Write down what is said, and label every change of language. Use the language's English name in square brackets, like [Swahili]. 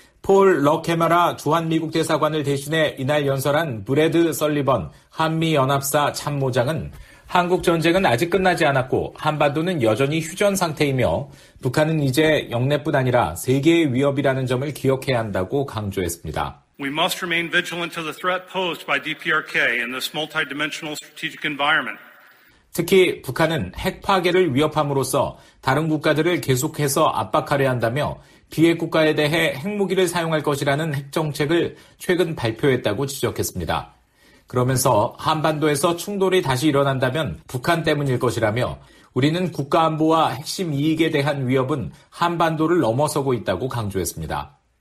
[Korean] 폴 러케마라 주한미국 대사관을 대신해 이날 연설한 브래드 설리번 한미연합사 참모장은 한국전쟁은 아직 끝나지 않았고 한반도는 여전히 휴전상태이며 북한은 이제 영내뿐 아니라 세계의 위협이라는 점을 기억해야 한다고 강조했습니다. [English] We must remain vigilant to the threat posed by DPRK in this multidimensional strategic environment. [Korean] 특히 북한은 핵 파괴를 위협함으로써 다른 국가들을 계속해서 압박하려 한다며 비핵 국가에 대해 핵무기를 사용할 것이라는 핵 정책을 최근 발표했다고 지적했습니다. 그러면서 한반도에서 충돌이 다시 일어난다면 북한 때문일 것이라며 우리는 국가 안보와 핵심 이익에 대한 위협은 한반도를 넘어서고 있다고 강조했습니다.